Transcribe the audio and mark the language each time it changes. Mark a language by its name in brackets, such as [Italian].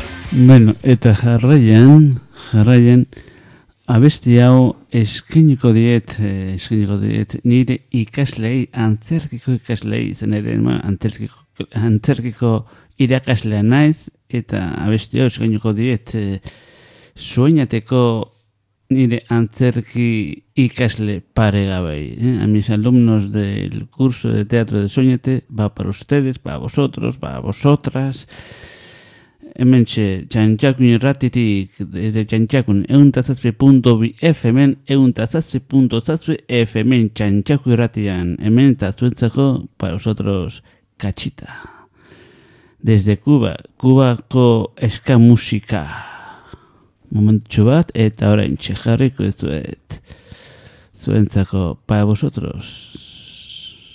[Basque] Bueno, eta jarraian, abesti hau eskainiko diet nire ikaslei, antzerkiko ikaslei, izan ere, antzerkiko irakaslea naiz, eta abesti hau eskainiko diet sueñateko nire antzerki ikasle paregabei. [Spanish] A mis alumnos del curso de teatro de Sueñate, va para ustedes, para vosotros, para vosotras. [Basque] Hementxe, txantxakun irratitik, [Spanish] desde txantxakun, [Basque] 107.2 FM, 107.2 FM, txantxakun irratian, hemen eta zuentzako, [Spanish] para vosotros, kachita. Desde Cuba, [Basque] Cubako eska musika. Momentu bat, eta orain txejarriko ez duet. Zuentzako, [Spanish] para vosotros.